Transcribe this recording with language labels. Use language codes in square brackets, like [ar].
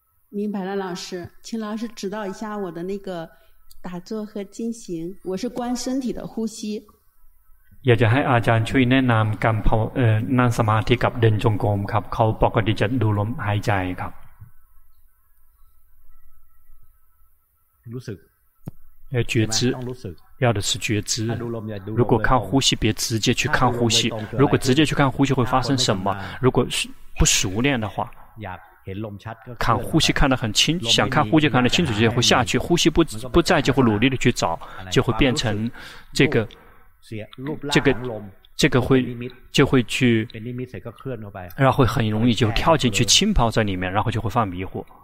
[zh] 明白了老师，请老师指导一下我的那个打坐和进行，我是观身体的呼吸。 [th] อยากจะให้อาจารย์ช่วยแนะนำการภาวนั่งสมาธิกับเดินจงกรมครับเขาปกติจะดูลมหายใจครับ รู้สึก [zh] 要觉知要的是觉知，如果看呼吸别直接去看呼吸，如果直接去看呼吸会发生什么，如果不熟练的话看呼吸看得很清，想看呼吸看得清楚就会下去，呼吸不在就会努力的去找，就会变成这个会就会去，然后很容易就跳进去浸泡在里面，然后就会犯迷惑。